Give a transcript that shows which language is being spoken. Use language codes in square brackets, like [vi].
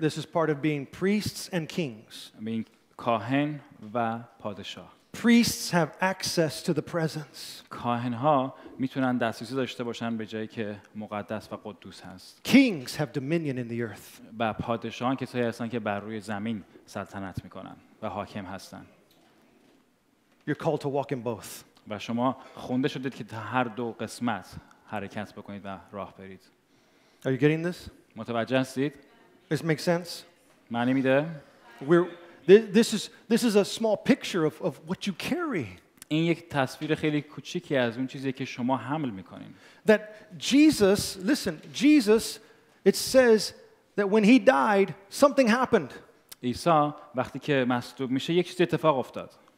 [en] This is part of being priests and kings. [fa] Being کاهن و پادشاه. [en] Priests have access to the presence. [fa] کاهن‌ها میتونن دسترسی داشته باشن به جایی که مقدس و قدوس هست. [en] Kings have dominion in the earth. [fa] و پادشاهان کسایی هستن که بر روی زمین سلطنت میکنن و حاکم هستن. [en] You're called to walk in both. [fa] و شما خونده شدید که در هر دو قسمت حرکت بکنید و راه برید. [en] Are you getting this? [fa] متوجه هستید؟ [en] This makes sense? [fa] معنی میده؟ [en] This is a small picture of what you carry. [fa] این یک تصویر خیلی کوچیکی از اون چیزی که شما حمل میکنید. [en] That Jesus, listen, Jesus, it says that when he died, something happened. [fa] عیسی وقتی که مصلوب میشه یک چیز اتفاق افتاد.